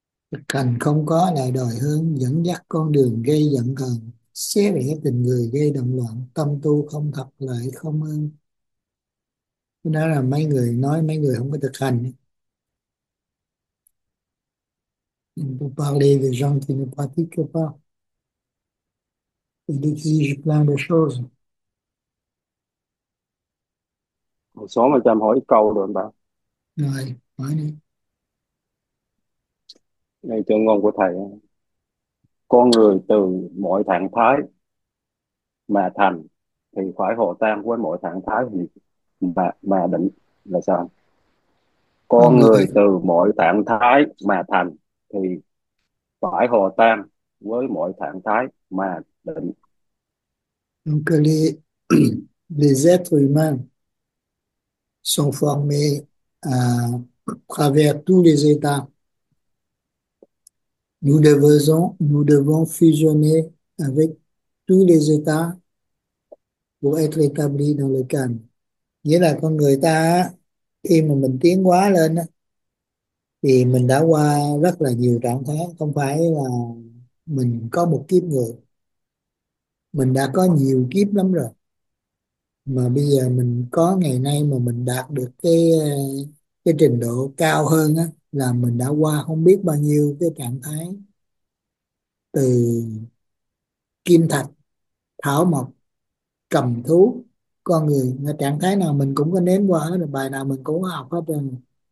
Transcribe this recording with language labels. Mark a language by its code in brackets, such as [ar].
[vi] Thực hành không có lại đòi hướng, dẫn dắt con đường gây giận hờn, xé rẽ tình người gây động loạn, tâm tu không thật lại không ơn. Đó là mấy người nói, mấy người không có thực hành. [fr] Vous parlez des gens qui ne pratiquent pas. Ils exigent plein de choses. [vi] Một số mà cho em hỏi câu được không Rồi, nói đi. ta? Đây chuyên ngôn của thầy. Con người từ mọi trạng thái mà thành thì phải hộ tang với mọi trạng thái gì mà định là sao? Con con người người từ mọi trạng thái mà thành thì phải hòa tan với mọi trạng thái mà định. [fr] Donc les êtres humains sont formés à travers tous les états. Nous devons fusionner avec tous les états pour être établis dans le calme. [vi] Nghĩa là con người ta khi mà mình tiến hóa lên thì mình đã qua rất là nhiều trạng thái, không phải là mình có một kiếp người. Mình đã có nhiều kiếp lắm rồi. Mà bây giờ mình có ngày nay mà mình đạt được cái trình độ cao hơn á, là mình đã qua không biết bao nhiêu cái trạng thái, từ kim thạch, thảo mộc, cầm thú, con người, trạng thái nào mình cũng có nếm qua hết rồi, bài nào mình cũng có học hết rồi.